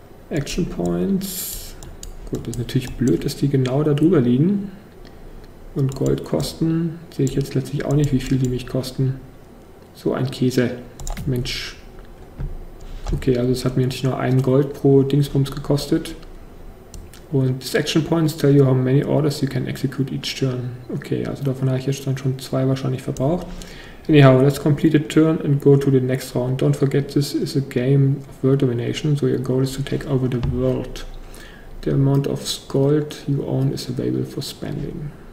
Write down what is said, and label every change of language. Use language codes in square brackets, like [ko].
[de] Action Points. Gut, das ist natürlich blöd, dass die genau da drüber liegen. Und Gold kosten, sehe ich jetzt letztlich auch nicht, wie viel die mich kosten. So ein Käse. Mensch. Okay, also es hat mir nicht nur ein Gold pro Dingsbums gekostet. [en] Und these Action Points tell you how many orders you can execute each turn. [de] Okay, also davon habe ich jetzt dann schon zwei wahrscheinlich verbraucht. [en] Anyhow, let's complete a turn and go to the next round. Don't forget this is a game of world domination, so your goal is to take over the world. The amount of gold you own is available for spending.